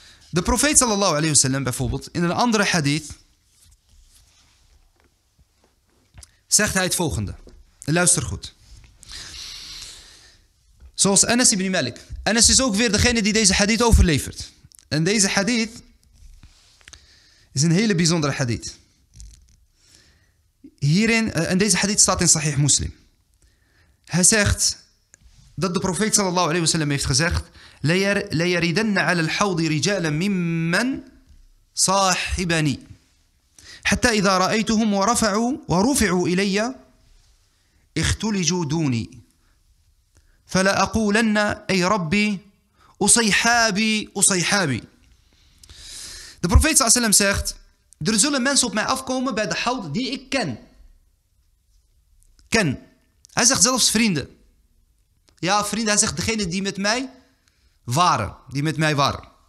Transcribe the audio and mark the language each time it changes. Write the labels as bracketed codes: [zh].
[nl] De profeet sallallahu alayhi wa sallam bijvoorbeeld in een andere hadith zegt hij het volgende. Luister goed. Zoals Anas ibn Malik. Anas is ook weer degene die deze hadith overlevert. En deze hadith is een hele bijzondere hadith. Hierin, en deze hadith staat in Sahih Muslim. Hij zegt dat de profeet sallallahu alayhi wa sallam heeft gezegd: [ar] لَيَرِدَنَّ عَلَى الْحَوْضِ رِجَالًا مِمَّنْ صَاحِبَنِي حَتَّى إِذَا رَأَيْتُهُمْ وَرَفَعُوا وَرُفِعُوا إِلَيَّ اختلجوا دوني فلا أقولن أي ربي أصيحابي أصيحابي. [nl] De profeet sallallahu alayhi wa sallam zegt, er zullen mensen op mij afkomen bij de houd die ik ken. Hij zegt zelfs vrienden. Ja, vrienden, hij zegt degene die met mij waren.